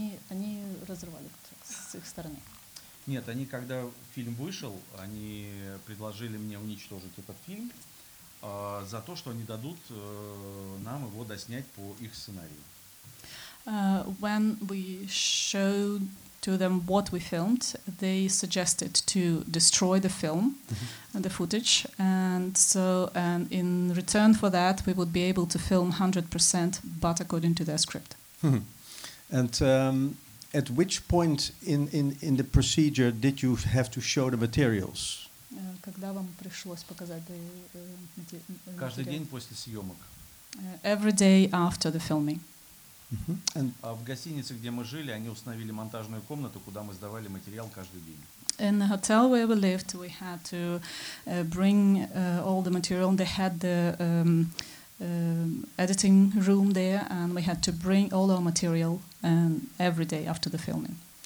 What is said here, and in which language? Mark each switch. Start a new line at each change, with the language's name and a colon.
Russian: Они разорвали контракт с их стороны. Нет, они когда фильм вышел, они предложили мне уничтожить этот фильм за то, что они дадут нам его доснять по их сценарию.
English: When we showed to them what we filmed, they suggested to destroy the film, and the footage, and so, and in return for that, we would be able to film 100%, but according to their script. And at which point in the procedure did you have to show the materials?
Russian: Когда вам пришлось показать материалы? Каждый день после съемок.
English: Every day after the filming.
Russian: В гостинице, где мы жили, они установили монтажную комнату, куда мы сдавали материал каждый день.
English: In the hotel where we lived, we had to bring all the material. They had the editing room there, and we had to bring all our material every day after the filming.